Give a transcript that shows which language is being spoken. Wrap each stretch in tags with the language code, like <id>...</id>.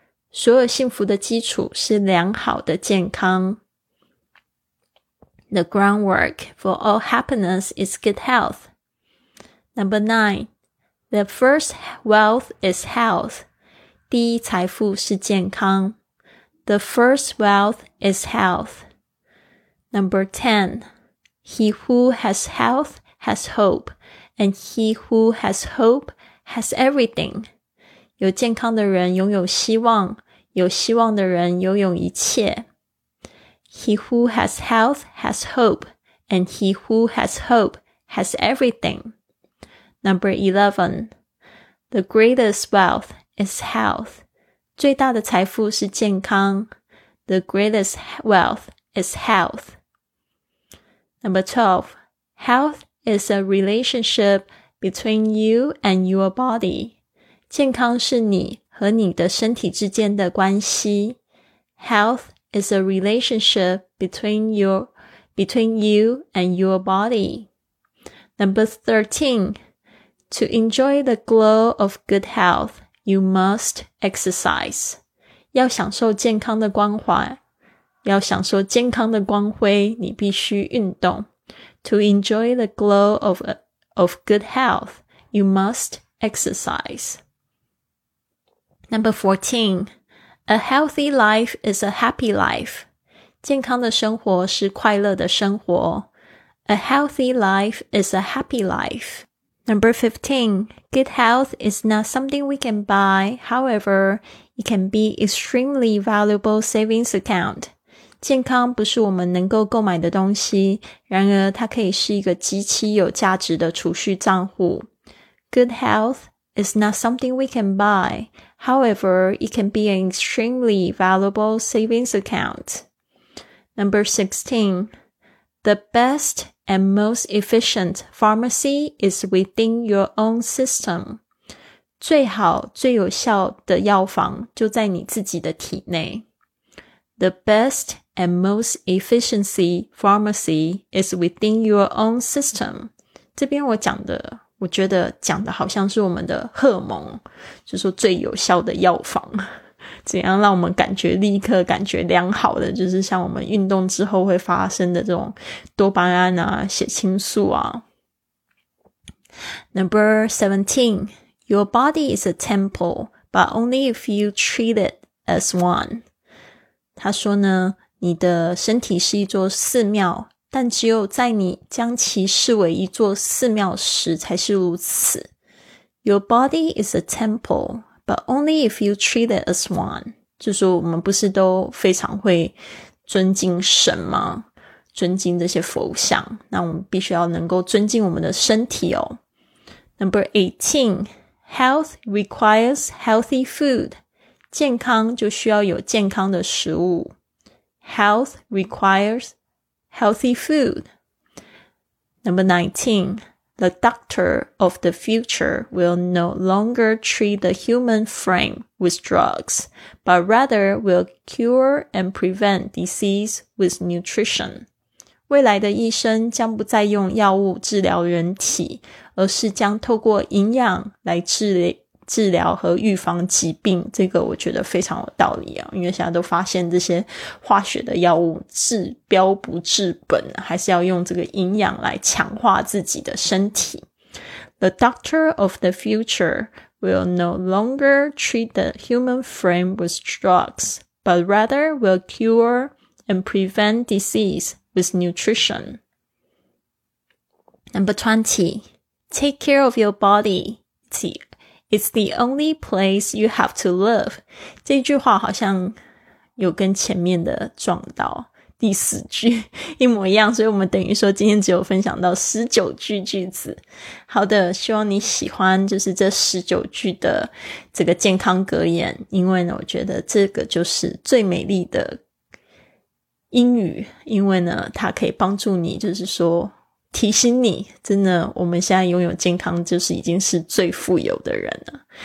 <zh>所有幸福的基础是良好的健康。</zh> <en>The groundwork for all happiness is good health. Number nine, the first wealth is health.</en> <zh>第一财富是健康。</zh> <en>The first wealth is health. Number ten, he who has health has hope, and he who has hope has everything.</en> <zh>有健康的人拥有希望，有希望的人拥有一切。</zh> <en>He who has health has hope, and he who has hope has everything. Number 11. The greatest wealth is health.</en> <zh>最大的财富是健康。</zh> <en>The greatest wealth is health. Number 12. Health is a relationship between you and your body.</en> <zh>健康是你和你的身体之间的关系。</zh> <en>Health is a relationship between you and your body. Number 13. To enjoy the glow of good health, you must exercise.</en> <zh>要享受健康的光环，要享受健康的光辉，你必须运动。</zh> <en>To enjoy the glow of good health, you must exercise. Number 14, a healthy life is a happy life.</en> <zh>健康的生活是快乐的生活。</zh> <en>A healthy life is a happy life. Number 15, good health is not something we can buy. However, it can be extremely valuable savings account.</en> <zh>健康不是我们能够购买的东西，然而它可以是一个极其有价值的储蓄账户。</zh> <en>Good health is not something we can buy. However, it can be an extremely valuable savings account. Number 16. The best and most efficient pharmacy is within your own system.</en> <zh>最好最有效的药房就在你自己的体内。</zh> <en>The best and most efficient pharmacy is within your own system.</en> <zh>这边我讲的，我觉得讲的好像是我们的荷尔蒙，就是说最有效的药房，怎样让我们感觉立刻感觉良好的，就是像我们运动之后会发生的这种多巴胺啊、血清素啊。</zh> <en>Number 17, your body is a temple, but only if you treat it as one.</en> <zh>他说呢，你的身体是一座寺庙，但只有在你将其视为一座寺庙时才是如此。</zh> <en>Your body is a temple, but only if you treat it as one.</en> <zh>就是我们不是都非常会尊敬神吗？尊敬这些佛像，那我们必须要能够尊敬我们的身体哦。</zh> <en>Number 18, health requires healthy food.</en> <zh>健康就需要有健康的食物。</zh> <en>Health requires healthy food. Number 19, the doctor of the future will no longer treat the human frame with drugs, but rather will cure and prevent disease with nutrition.</en> <zh>未来的医生将不再用药物治疗人体，而是将透过营养来治疗和预防疾病，这个我觉得非常有道理啊，因为现在都发现这些化学的药物治标不治本，还是要用这个营养来强化自己的身体。</zh> <en>The doctor of the future will no longer treat the human frame with drugs, but rather will cure and prevent disease with nutrition. Number 20, take care of your body. It's the only place you have to live.</en> <zh>这句话好像有跟前面的撞到第四句一模一样，所以我们等于说今天只有分享到19句句子。好的，希望你喜欢就是这19句的这个健康格言，因为呢我觉得这个就是最美丽的英语，因为呢它可以帮助你，就是说提醒你，真的我们现在拥有健康就是已经是最富有的人了。</zh>